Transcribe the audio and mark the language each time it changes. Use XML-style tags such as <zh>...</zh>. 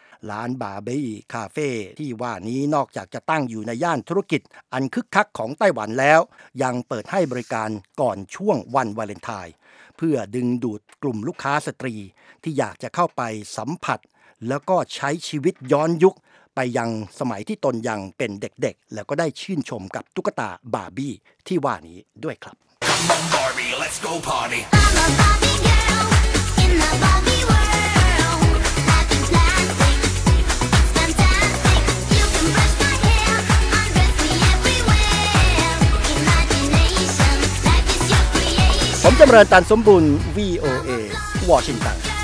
<th>ร้านบาร์บี้คาเฟ่ที่ว่านี้นอกจากจะตั้งอยู่ในย่านธุรกิจอันคึกคักของไต้หวันแล้วยังเปิดให้บริการก่อนช่วงวันวาเลนไทน์เพื่อดึงดูดกลุ่มลูกค้าสตรีที่อยากจะเข้าไปสัมผัสแล้วก็ใช้ชีวิตย้อนยุคไปยังสมัยที่ตนยังเป็นเด็กๆแล้วก็ได้ชื่นชมกับตุ๊กตาบาร์บี้ที่ว่านี้ด้วยครับ</th> <en>Come on Barbie, let's go party. I'm a Barbie girl in the Barbie world. Packing plastic, it's fantastic. You can brush my hair, undress me everywhere. Imagination, life is your creation. ผมจำเริญตันสมบูรณ์ VOA Washington</en>